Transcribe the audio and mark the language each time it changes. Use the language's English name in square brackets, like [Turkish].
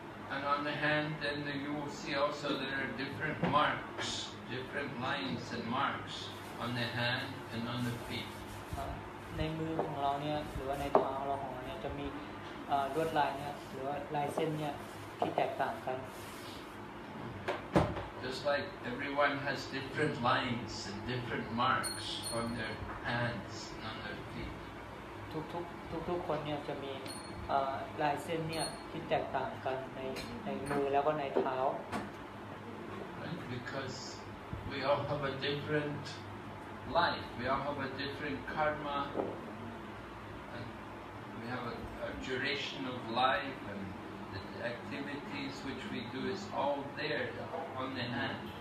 [English] And on the hand then you will see also there are different marks, different lines and marks on the hand and on the feet. [Thai] ในมือของเราเนี่ยหรือว่าในเท้าเราของเราเนี่ยจะมีลวดลายเนี่ยหรือว่าลายเส้นเนี่ยที่แตกต่างกัน [English] Just like everyone has different lines and different marks on their hands and on their feet [Thai] ทุกคนเนี่ยจะมีลายเส้นเนี่ยที่แตกต่างกันในมือแล้วก็ในเท้า [English] Right? Because we all have a differentLife. We all have a different karma, and we have a duration of life, and the activities which we do is all there on the hand.